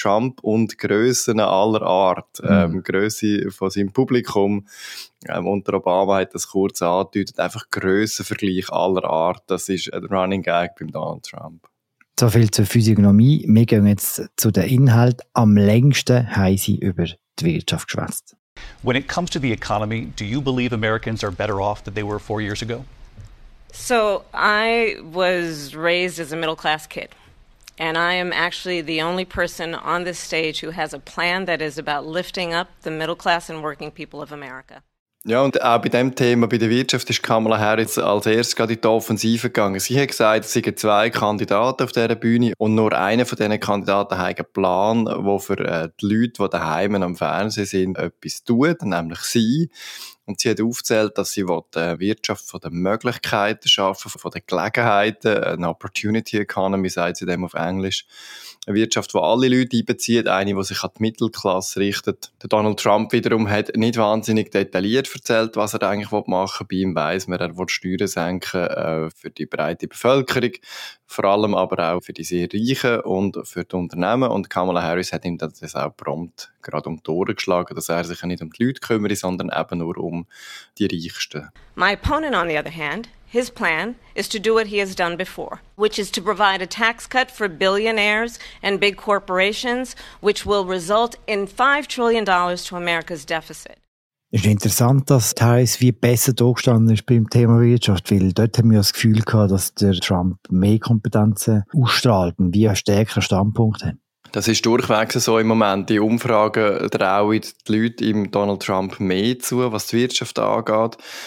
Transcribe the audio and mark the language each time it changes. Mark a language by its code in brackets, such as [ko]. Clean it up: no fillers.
[de] Trump und Grössen aller Art. Grösse von seinem Publikum. Unter Obama hat das kurz angedeutet. Einfach Grössenvergleich aller Art. Das ist ein Running Gag beim Donald Trump. So viel zur Physiognomie. Wir gehen jetzt zu den Inhalten. Am längsten haben sie über die Wirtschaft geschwätzt. [en] When it comes to the economy, do you believe Americans are better off than they were 4 years ago? So, I was raised as a middle class kid. And I am actually the only person on this stage who has a plan that is about lifting up the middle class and working people of America. [de] Ja, und auch bei dem Thema, bei der Wirtschaft, ist Kamala Harris als erstes gerade in die Offensive gegangen. Sie hat gesagt, es seien 2 Kandidaten auf dieser Bühne und nur einer von diesen Kandidaten hat einen Plan, der für die Leute, die daheim am Fernsehen sind, etwas tut, nämlich sie. Und sie hat aufgezählt, dass sie die Wirtschaft von den Möglichkeiten schaffen, von den Gelegenheiten, eine Opportunity Economy, sagt sie dem auf Englisch. Eine Wirtschaft, die alle Leute einbezieht, eine, die sich an die Mittelklasse richtet. Der Donald Trump wiederum hat nicht wahnsinnig detailliert erzählt, was er eigentlich machen will. Bei ihm weiss man, er will Steuern senken für die breite Bevölkerung, vor allem aber auch für die sehr Reichen und für die Unternehmen. Und Kamala Harris hat ihm das auch prompt gerade um die Ohren geschlagen, dass er sich nicht um die Leute kümmere, sondern eben nur um die Reichsten. [en] My opponent, on the other hand, his plan is to do what he has done before, which is to provide a tax cut for billionaires and big corporations, which will result in $5 trillion to America's deficit. [de] Es ist interessant, dass Harris wie besser durchgestanden ist beim Thema Wirtschaft, weil dort haben wir das Gefühl gehabt, dass der Trump mehr Kompetenzen ausstrahlt und wie er stärkere Standpunkte hat. Das ist durchwegs so im Moment. Die Umfragen trauen die Leute im Donald Trump mehr zu, was die Wirtschaft angeht.